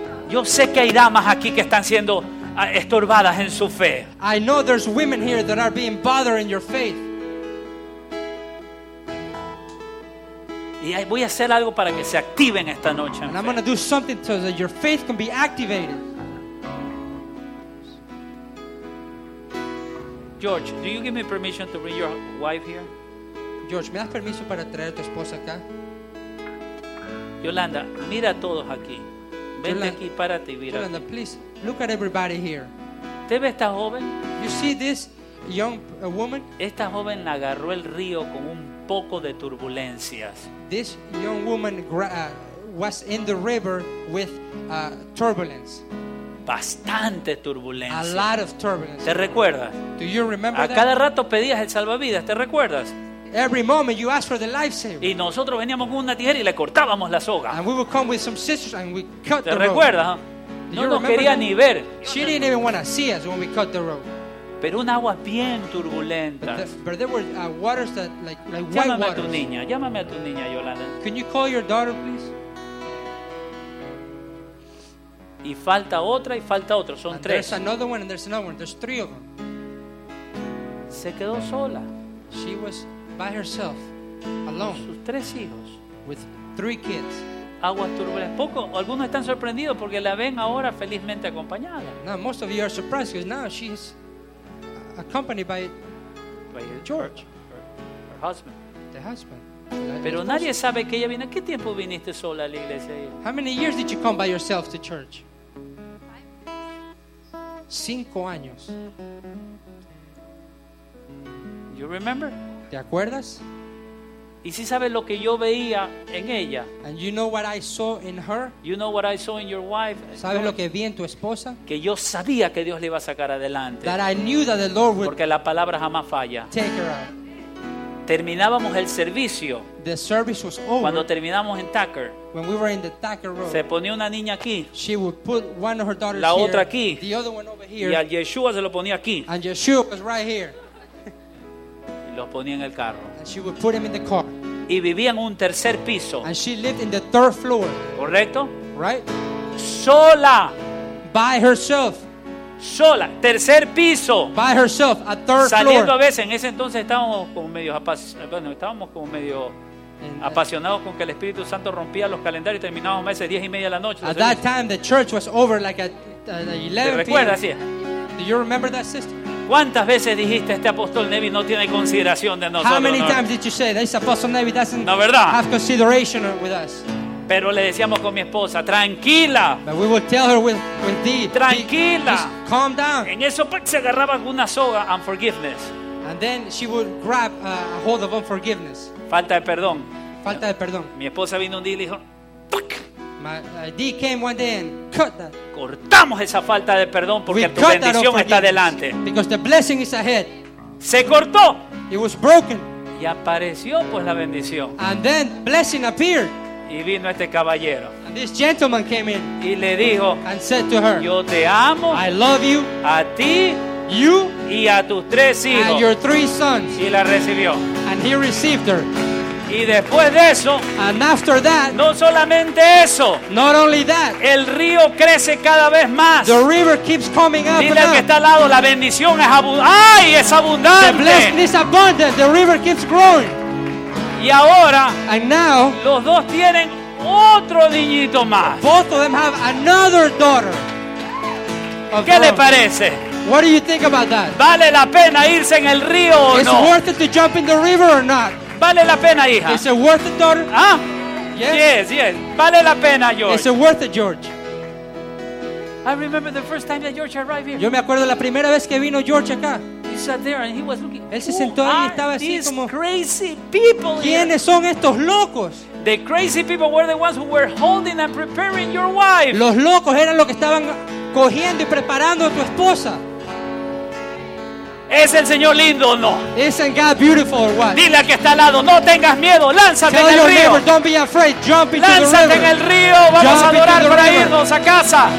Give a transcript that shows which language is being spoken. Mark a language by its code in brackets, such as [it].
[es] Yo sé que hay damas aquí que están siendo estorbadas en su fe. [en] I know there's women here that are being bothered in your faith. [es] Y voy a hacer algo para que se activen esta noche. [en] And I'm going to do something so that your faith can be activated. George, do you give me permission to bring your wife here? [es] George, ¿me das permiso para traer a tu esposa acá? Yolanda, mira a todos aquí. Vente Yolanda, aquí, párate y mira. Yolanda, aquí. [en] Please, look at everybody here. [es] ¿Te ves tan joven? [en] You see this young woman, [es] esta joven agarró el río con un poco de turbulencias. [en] This young woman was in the river with turbulence. [es] Bastante turbulencia. [en] A lot of turbulence. [es] ¿Te recuerdas? [en] Do you remember that? [es] A cada rato pedías el salvavidas, ¿te recuerdas? [en] Every moment you asked for the lifesaver. [es] Y nosotros veníamos con una tijera y le cortábamos la soga. [en] And we would come with some scissors and we cut the rope. [es] ¿Te recuerdas? No nos quería ni ver. [en] She didn't even want to see us when we cut the rope. [es] Pero un agua bien turbulenta. [en] But there were waters that like white waters. [es] Llámame a tu niña, Yolanda. [en] Can you call your daughter, please? [es] Y falta otra y falta otro. Son [en] and [es] tres. [en] There's another one and there's another one. There's three of them. [es] Se quedó sola. [en] She was by herself, alone. [es] Sus tres hijos. [en] With three kids. [es] Aguas turbulentas. Poco, algunos están sorprendidos porque la ven ahora felizmente acompañada. [en] Now most of you are surprised because now she's accompanied by George, her husband. The husband. [es] Pero nadie sabe que ella vino. ¿Qué tiempo viniste sola a la iglesia? [en] How many years did you come by yourself to church? [es] 5 años. [en] You remember? [es] ¿Te acuerdas? Y si sabes lo que yo veía en ella. [en] And you know what I saw in her? You know what I saw in your wife? [es] ¿Sabes lo que vi en tu esposa? Que yo sabía que Dios le iba a sacar adelante. [en] That I knew that the Lord would. [es] Porque la palabra jamás falla. [en] Take her out. [es] Terminábamos el servicio. [en] The service was over. [es] Cuando terminamos en Tucker. [en] When we were in the Tucker Road. [es] Se ponía una niña aquí. [en] She would put one of her daughters [es] la otra [en] here, [es] aquí. [en] The other one over here. [es] Y al Yeshua se lo ponía aquí. [en] And Yeshua was right here. [es] Los ponía en el carro. [en] And she would put them in the car. [es] Y vivía en un tercer piso. [en] And she lived in the third floor. [es] ¿Correcto? [en] Right? [es] Sola. [en] By herself. [es] Sola. Tercer piso. [en] By herself. A third [es] Saliendo a veces. En ese entonces estábamos como medio apasionados. Bueno, estábamos como medio apasionados con que el Espíritu Santo rompía los calendarios y terminábamos a veces 10:30 de la noche. [en] At that time the church was over like at 11 p.m. [es] ¿Te recuerdas, sí? [en] Do you remember that, sister? [es] ¿Cuántas veces dijiste este apóstol Nevi no tiene consideración de nosotros? [en] How many times did you say this apostle Nevi doesn't [es] no, ¿verdad? [en] Have consideration with us? [es] Pero le decíamos con mi esposa, tranquila. [en] But we would tell her with thee, [es] tranquila. [en] Just calm down. [es] En eso pues se agarraba una soga [en] and forgiveness. And then she would grab a hold of unforgiveness. [es] Falta de perdón. Falta de perdón. Mi esposa vino un día y dijo, ¡puc! [en] My D came one day and cut that. [es] Cortamos esa falta de perdón porque tu bendición está adelante. [en] Because the blessing is ahead. [es] Se cortó. [en] It was broken. [es] Y apareció pues la bendición. [en] And then blessing appeared. [es] Y vino este caballero. [en] And this gentleman came in. [es] Y le dijo. [en] And said to her. [es] Yo te amo. [en] I love you. [es] A ti. [en] You. [es] Y a tus tres hijos. [en] And your three sons. [es] Y la recibió. [en] And he received her. [es] Y después de eso, [en] and after that, [es] no solamente eso, [en] not only that, [es] el río crece cada vez más. [en] The river keeps coming up. [es] Dile al que está al lado, la bendición es abundante. Ay, es abundante. [en] The blessing is abundant. The river keeps growing. [es] Y ahora, [en] and now, [es] los dos tienen otro niñito más. [en] Both of them have another daughter. [es] ¿Qué le parece? [en] What do you think about that? [es] ¿Vale la pena irse en el río o [en] is [es] no? [en] Is worth it to jump in the river or not? [es] ¿Vale la pena, hija? [en] Is it worth it, daughter? [es] ¿Ah? [en] Yes. Yes, yes. [es] ¿Vale la pena, George? [en] Is it worth it, George? I remember the first time that George arrived here. [es] Yo me acuerdo la primera vez que vino George acá. [en] He sat there and he was looking. [es] Él se sentó ahí y estaba así como. [en] Crazy people. [es] ¿Quiénes Son estos locos? [en] The crazy people were the ones who were holding and preparing your wife. [es] Los locos eran los que estaban cogiendo y preparando a tu esposa. ¿Es el Señor lindo o no? [en] Isn't God beautiful or what? [es] Dile a que está al lado, no tengas miedo, lánzate [en] tell [es] en el [en] your [es] río. [en] Neighbor, don't be afraid, jump into [es] lánzate [en] the river. [es] En el río, vamos [en] jump [es] a adorar para irnos a casa.